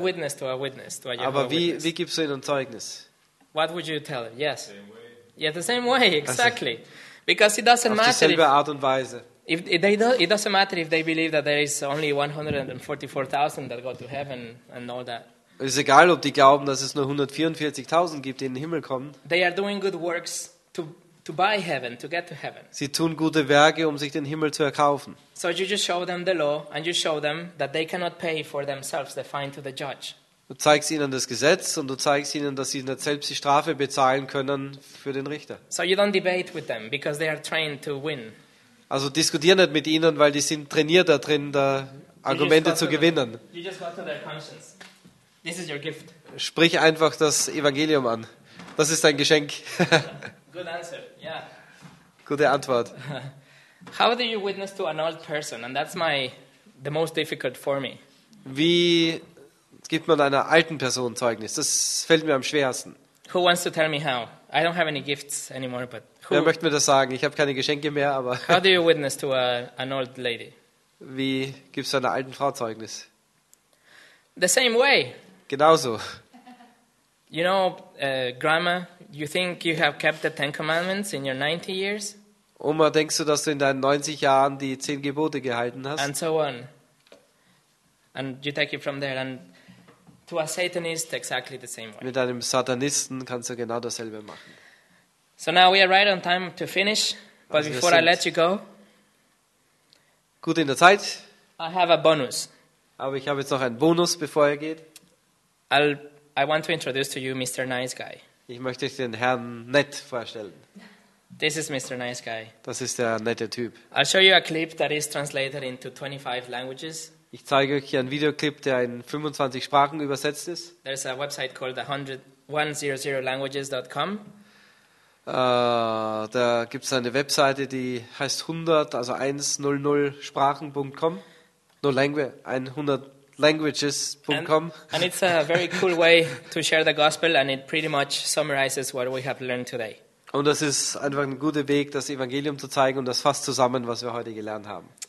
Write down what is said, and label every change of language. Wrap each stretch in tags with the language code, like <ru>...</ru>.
<en>Witness to a witness, to a Jehovah</en> <de>Aber</de> <en>witness?</en> <de>Aber wie gibst du ihnen Zeugnis?</de> <en>What would you tell him? Yes. Same way. Yeah, the same way, exactly. Because it doesn't</en> <de>Auf</de> <en>matter</en> <de>dieselbe Art und Weise.</de> <en>It doesn't matter if they believe that there is only 144,000 that go to heaven and all that.</en> <de>Es ist egal, ob die glauben, dass es nur 144,000 gibt, die in den Himmel kommen.</de> <en>They are doing good works to buy heaven, to get to heaven.</en> <de>Sie tun gute Werke, um sich den Himmel zu erkaufen.</de> <en>So you just show them the law and you show them that they cannot pay for themselves the fine to the judge.</en> <de>Du zeigst ihnen das Gesetz und du zeigst ihnen, dass sie nicht selbst die Strafe bezahlen können für den Richter.</de> <en>So you don't debate with them because they are trained to win.</en> <de>Also diskutier nicht mit ihnen, weil die sind trainiert da drin, da Argumente zu gewinnen.</de> <en>You just got to their conscience. This is your gift.</en> <de>Sprich einfach das Evangelium an. Das ist dein Geschenk.</de> <en>Good answer. Yeah.</en> <de>Gute Antwort.</de> <en>How do you witness to an old person? And that's the most difficult for me.</en> <de>Wie gibt man einer alten Person Zeugnis? Das fällt mir am schwersten.</de> <en>Who wants to tell me how? I don't have any gifts anymore, but who?</en> <de>Wer möchte mir das sagen? Ich habe keine Geschenke mehr, aber.</de> <en>How do you witness to an old lady?</en> <de>Wie gibst du einer alten Frau Zeugnis?</de> <en>The same way.</en> <de>Genauso.</de> <en>You know, grandma, you think you have kept the Ten Commandments in your 90 years?</en> <de>Oma, denkst du, dass du in deinen 90 Jahren die 10 Gebote gehalten hast?</de> <en>And so on. And you take it from there. And to a Satanist, exactly the same way.</en> <de>Mit einem Satanisten kannst du genau dasselbe machen.</de> <en>So now we are right on time to finish. But also before I let you go.</en> <de>Gut in der Zeit.</de> <en>I have a bonus.</en> <de>Aber ich habe jetzt noch einen Bonus, bevor er geht.</de> <en>I want to introduce to you Mr. Nice Guy.</en> <de>Ich möchte euch den Herrn Nett vorstellen.</de> <en>This is Mr. Nice Guy.</en> <de>Das ist der nette Typ.</de> <en>I'll show you a clip that is translated into 25 languages.</en> <de>Ich zeige euch hier einen Videoclip, der in 25 Sprachen übersetzt ist.</de> <en>There's a website called 100languages.com.</en> <de>Da gibt es eine Webseite, die heißt 100sprachen.com.</de> <en>No language, 100languages.com. And it's a very cool way to share the gospel, and it pretty much summarizes what we have learned today.</en> <de>Und das ist einfach ein guter Weg, das Evangelium zu zeigen, und das fasst zusammen, was wir heute gelernt haben.</de>